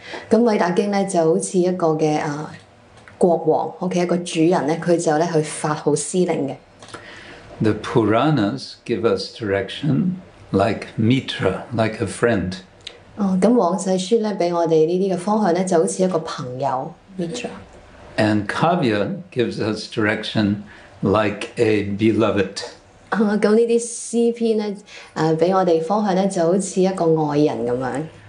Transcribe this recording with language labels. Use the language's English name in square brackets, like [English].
[Cantonese] 咁偉大經咧就好似一個嘅國王 ，OK， 一個主人咧，佢就咧去發號施令嘅。 [English] The Puranas give us direction like Mitra, like a friend. [Cantonese] 咁《皇世書》咧，俾我哋呢啲嘅方向咧，就好似一個朋友，Mitra. [English] And Kavya gives us direction like a beloved. [Cantonese] 咁呢啲詩篇咧，俾我哋方向咧，就好似一個愛人咁樣。